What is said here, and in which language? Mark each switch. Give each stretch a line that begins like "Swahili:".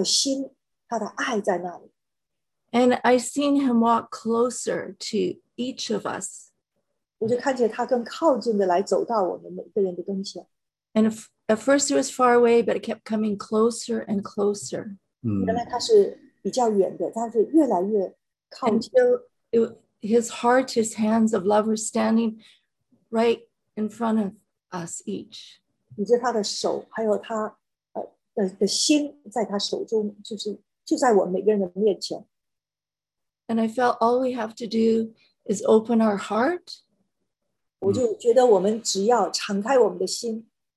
Chinese: 然后就看见了他的心,他的爱在那里。
English: And I seen him walk closer to each of us.
Chinese: 我就看见他更靠近的来走到我们每个人的跟前。
English: And at first he was far away, but it kept coming closer and closer.
Chinese: 原来他是比较远的,但是越来越靠近。
English: His heart, his hands of love were standing right in front of us each.
Chinese: 你知道他的手,还有他。的心在他手中，就是就在我每个人的面前。
English: And I felt all we have to do is open our heart.
Chinese: 我就觉得我们只要敞开我们的心。